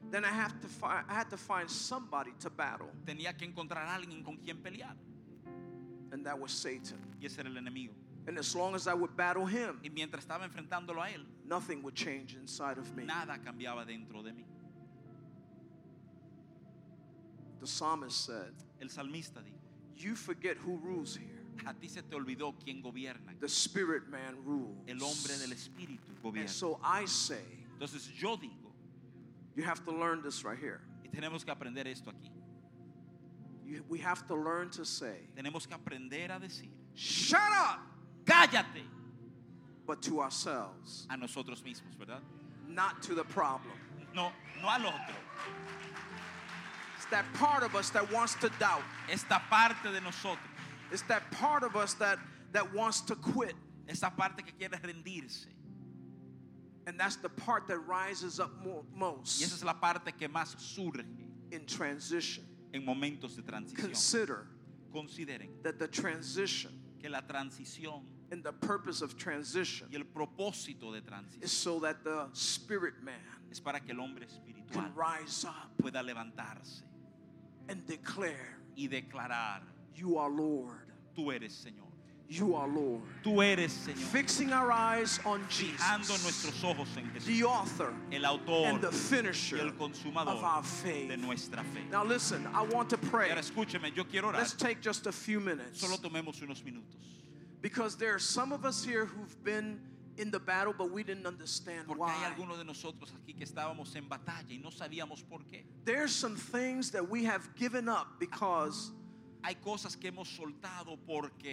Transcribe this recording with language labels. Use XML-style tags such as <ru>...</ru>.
<en>then I had to find somebody to battle.</en> <es>Tenía que encontrar alguien con quien pelear.</es> <en>And that was Satan.</en> <es>Y ese era el enemigo.</es> <en>And as long as I would battle him,</en> <es>y mientras estaba enfrentándolo a él,</es> <en>nothing would change inside of me.</en> <es>Nada cambiaba dentro de mí.</es> <en>The psalmist said,</en> <es>el salmista dijo,</es> <en>you forget who rules here.</en> <es>A ti se te olvidó quién gobierna.</es> <en>The spirit man rules.</en> <es>El hombre del espíritu gobierna.</es> <en>And so I say,</en> <es>entonces yo digo,</es> <en>you have to learn this right here.</en> <es>Y tenemos que aprender esto aquí.</es> <en>We have to learn to say,</en> <es>tenemos que aprender a decir,</es> <en>shut up,</en> <es>cállate,</es> <en>but to ourselves,</en> <es>a nosotros mismos, ¿verdad?</es> <en>Not to the problem.</en> <es>No, no al otro.</es> <en>It's that part of us that wants to doubt.</en> <es>Esta parte de nosotros.</es> <en>It's that part of us that wants to quit.</en> <es>Esa parte que quiere rendirse.</es> <en>And that's the part that rises up most.</en> <es>Y esa es la parte que más surge.</es> <en>In transition.</en> <es>En momentos de transición.</es> <en>Consider.</en> <es>Consideren.</es> <en>That the transition.</en> <es>Que la transición.</es> <en>And the purpose of transition.</en> <es>Y el propósito de transición.</es> <en>Is so that the spirit man.</en> <es>Es para que el hombre espiritual.</es> <en>Can rise up.</en> <es>Pueda levantarse.</es> <en>And declare.</en> <es>Y declarar.</es> <en>You are Lord.</en> <es>Tú eres Señor.</es> <en>You are Lord.</en> <es>Tú eres Señor.</es> <en>Fixing our eyes on Jesus.</en> <es>Fijando nuestros ojos en Jesús.</es> <en>The author.</en> <es>El autor.</es> <en>And the finisher.</en> <es>Y el consumador.</es> <en>Of our faith.</en> <es>De nuestra fe.</es> <en>Now listen, I want to pray.</en> <es>Ahora escúcheme, yo quiero orar.</es> <en>Let's take just a few minutes.</en> <es>Solo tomemos unos minutos.</es> <en>Because there are some of us here who've been in the battle, but we didn't understand</en> <es>porque</es> <en>why.</en> <es>Porque hay algunos de nosotros aquí que estábamos en batalla y no sabíamos por qué.</es> <en>There are some things that we have given up because.</en> <es>Hay cosas que hemos soltado porque.</es>